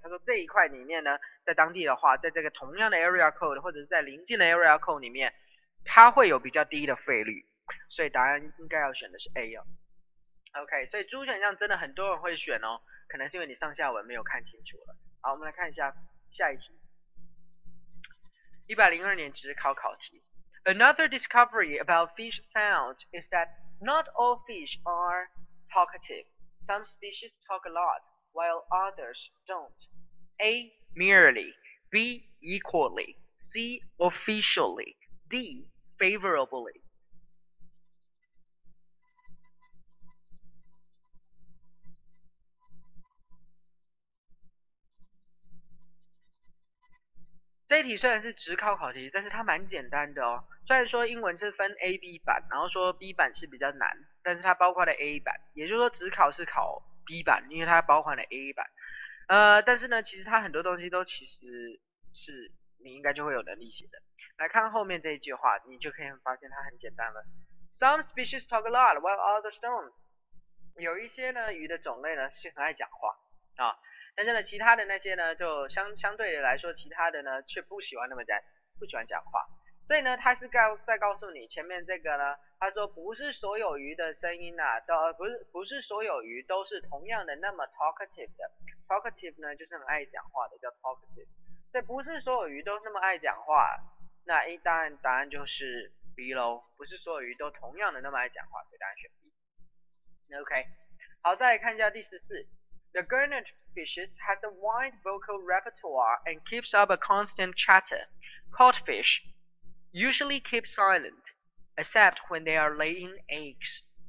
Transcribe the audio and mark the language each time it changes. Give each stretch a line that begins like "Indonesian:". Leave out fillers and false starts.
Chinese: 他说这一块里面呢，在当地的话，在这个同样的 area code 或者是在邻近的 area code 里面，它会有比较低的费率，所以答案应该要选的是 A 哦。 OK， 所以猪选项真的很多人会选哦，可能是因为你上下文没有看清楚了。好，我们来看一下下一题。 102年只是考考题。
English: Another discovery about fish sound is that not all fish are talkative. Some species talk a lot, while others don't. A. Merely. B. Equally. C. Officially. D. Favorably.
Chinese: 这一题虽然是直考考题，但是它蛮简单的哦。虽然说英文是分 A、B 版，然后说 B 版是比较难，但是它包括了 A 版，也就是说直考是考 B 版，因为它包含了 A 版。但是呢，其实它很多东西都其实是你应该就会有能力写的。来看后面这一句话，你就可以发现它很简单了。
English: Some species talk a lot, while others don't.
Chinese: 有一些呢鱼的种类呢是很爱讲话啊，但是呢其他的那些呢就相对的来说，其他的呢却不喜欢那么讲，不喜欢讲话。所以呢他是在告诉你前面这个呢，他说不是所有鱼的声音啊，不是所有鱼都是同样的那么 talkative 的。 talkative 呢就是很爱讲话的，叫 talkative。所以不是所有鱼都那么爱讲话，那一旦答案就是 B 咯，不是所有鱼都同样的那么爱讲话，所以答案选 B。 OK， 好，再来看一下第14。
English: The gurnet species has a wide vocal repertoire and keeps up a constant chatter. Codfish usually keep silent, except when they are laying eggs.